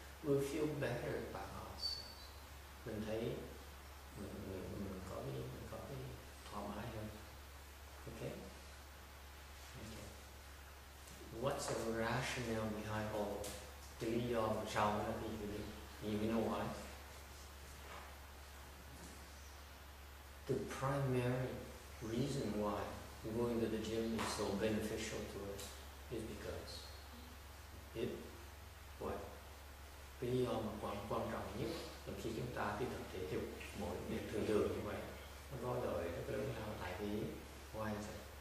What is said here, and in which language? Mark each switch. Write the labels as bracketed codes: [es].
[en] We feel better about ourselves. [vi] Mình thấy mình có cái thoải mái hơn. Okay. [en] What's the rationale behind all? [vi] Cái lý do mà sao nó đi như vậy? [en] You know why? The primary reason why going to the gym is so beneficial to us is because it what? [vi] Lý do mà quan trọng nhất là khi chúng ta đi tập thể dục mỗi ngày thường thường như vậy nó có lợi rất lớn lao tại vì [en] why is it?